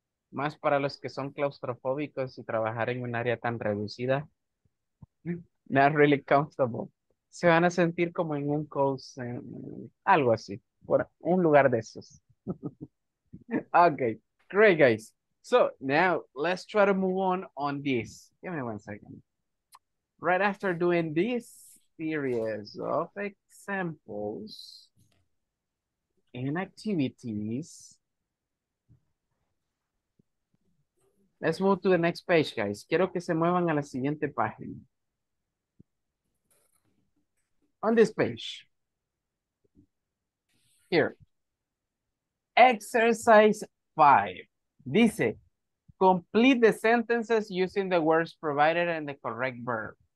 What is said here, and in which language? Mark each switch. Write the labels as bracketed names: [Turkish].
[Spanish] Más para los que son claustrofóbicos y trabajar en un área tan reducida. [English] Not really comfortable. [Spanish] Se van a sentir como en un coast, algo así. Por un lugar de esos. [English] Okay, great guys. So now let's try to move on this. Give me one second. Right after doing this series of examples and activities, let's move to the next page, guys. [Spanish] Quiero que se muevan a la siguiente página. [English] On this page. Here, exercise 5. Dice, complete the sentences using the words provided and the correct verb.